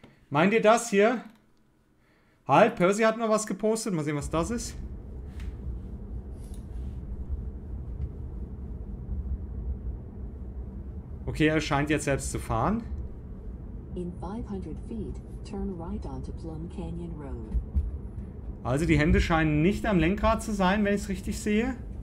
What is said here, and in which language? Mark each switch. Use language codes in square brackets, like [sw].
[de] Meint ihr das hier? Halt, Percy hat noch was gepostet. Mal sehen, was das ist. Okay, er scheint jetzt selbst zu fahren. [en] In 500 feet, turn right onto Plum Canyon Road. [de] Also die Hände scheinen nicht am Lenkrad zu sein, wenn ich es richtig sehe.